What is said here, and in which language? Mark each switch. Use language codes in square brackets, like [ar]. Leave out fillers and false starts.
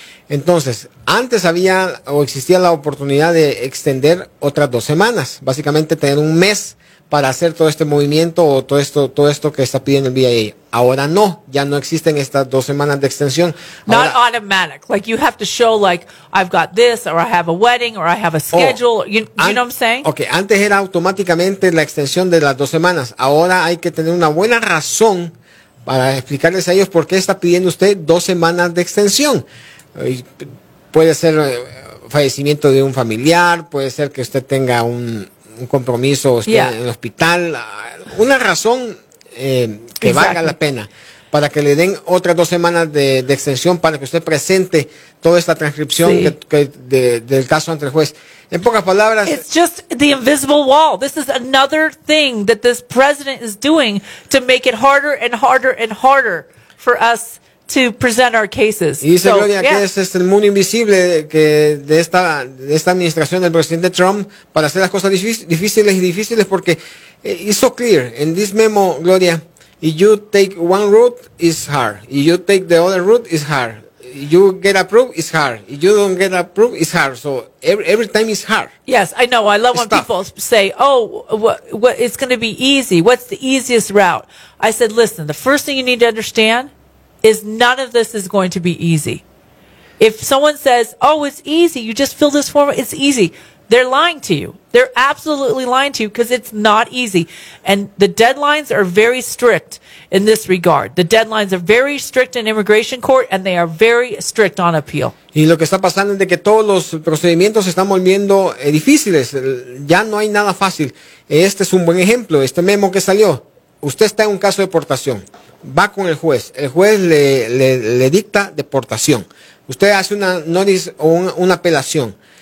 [es] Entonces, antes había o existía la oportunidad de extender otras 2 semanas, básicamente tener un mes para hacer todo este movimiento o todo esto que está pidiendo el BIA. Ahora no, ya no existen estas 2 semanas de extensión. Ahora, [en] not automatic. Like you have to show like I've got this or I have a wedding or I have a schedule. You know what I'm saying? [es] Okay, antes era automáticamente la extensión de las 2 semanas. Ahora hay que tener una buena razón para explicarles a ellos por qué está pidiendo usted 2 semanas de extensión. Puede ser fallecimiento de un familiar, puede ser que usted tenga un compromiso, usted, [en] yeah, [es] en el hospital, una razón que [en] exactly [es] valga la pena para que le den otras 2 semanas de extensión para que usted presente toda esta transcripción, sí, del caso ante el juez. En pocas palabras, [en] it's just the invisible wall. This is another thing that this president is doing to make it harder and harder and harder for us to present our cases. [es] Y dice Gloria, que ese es el mundo invisible que de esta administración del presidente Trump para hacer las cosas difíciles y difíciles, porque [en] it's so clear in this memo, Gloria, if you take one route, it's hard. If you take the other route, it's hard. If you get approved, it's hard. If you don't get approved, it's hard. So every time it's hard. Yes, I know. I love when people say, oh, what it's going to be easy. What's the easiest route? I said, listen, the first thing you need to understand is none of this is going to be easy. If someone says, oh, it's easy, you just fill this form, it's easy, they're lying to you. They're absolutely lying to you because it's not easy. And the deadlines are very strict in this regard. The deadlines are very strict in immigration court and they are very strict on appeal. [es] Y lo que está pasando es de que todos los procedimientos se están volviendo difíciles. Ya no hay nada fácil. Este es un buen ejemplo, este memo que salió. Usted está en un caso de deportación. Va con el juez le dicta deportación. Usted hace una notice o una apelación.